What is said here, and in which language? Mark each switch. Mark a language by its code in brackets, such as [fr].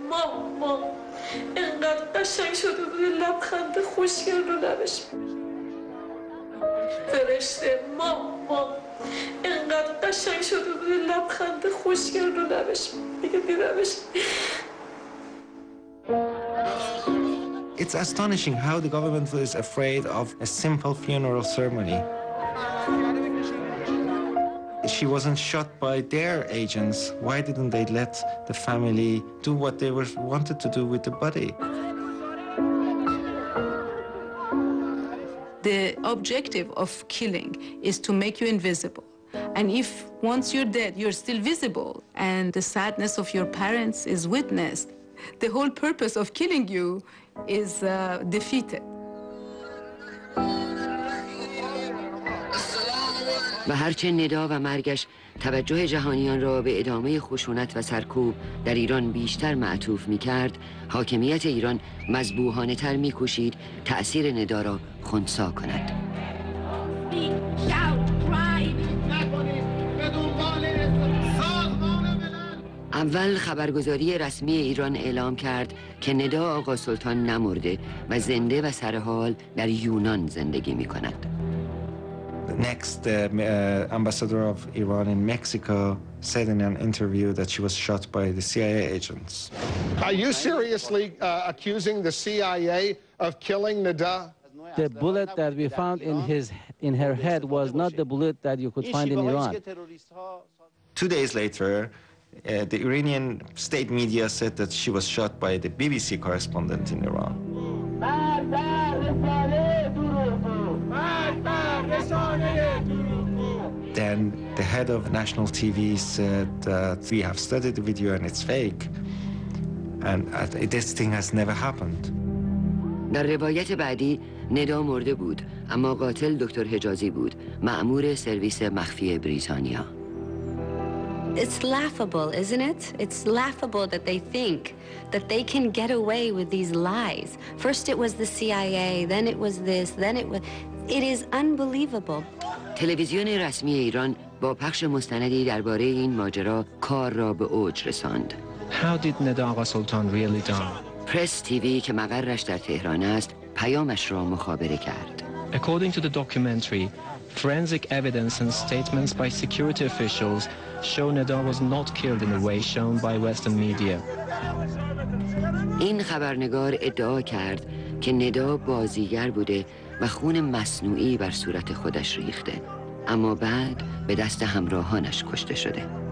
[fa] ماما اینقدر قشنگ شده بود لبخند خوشگل رو لبش. فرشته ماما اینقدر قشنگ شده بود لبخند خوشگل رو لبش. دیگه دیدمش. [en] It's astonishing how the government is afraid of a simple funeral ceremony. She wasn't shot by their agents. Why didn't they let the family do what they wanted to do with the body? The objective of killing is to make you invisible. And if once you're dead, you're still visible, and the sadness of your parents is witnessed, the whole purpose of killing you is defeated. [fa] و هرچه ندا و مرگش توجه جهانیان را به ادامه خشونت و سرکوب در ایران بیشتر معطوف می کرد، حاکمیت ایران مذبوحانه تر می کشید تأثیر ندا را خونسا کند. اول خبرگزاری رسمی ایران اعلام کرد که ندا آقا سلطان نمرده و زنده و سرحال در یونان زندگی می کند. [en] Next, the ambassador of Iran in Mexico said in an interview that she was shot by the CIA agents. Are you seriously accusing the CIA of killing Nida? The bullet that we found in her head was not the bullet that you could find in Iran. 2 days later, the Iranian state media said that she was shot by the BBC correspondent in Iran. Then the head of national TV said that we have studied the video and it's fake, and this thing has never happened. [fa] در روایت بعدی ندا مرده بود، اما قاتل دکتر حجازی بود، مأمور سرویس مخفی بریتانیا. [en] It's laughable, isn't it? It's laughable that they think that they can get away with these lies. First it was the CIA, then it was this, then it was... It is unbelievable. [fa] تلویزیون رسمی ایران با پخش مستندی درباره این ماجرا کار را به اوج رساند. [en] How did Neda Aga Sultan really die? [fa] پرس تیوی که مقرش در تهران است پیامش را مخابره کرد. [en] According to the documentary, forensic evidence and statements by security officials show Neda was not killed in the way shown by Western media. [fa] این خبرنگار ادعا کرد که ندا بازیگر بوده و خون مصنوعی بر صورت خودش ریخته، اما بعد به دست همراهانش کشته شده.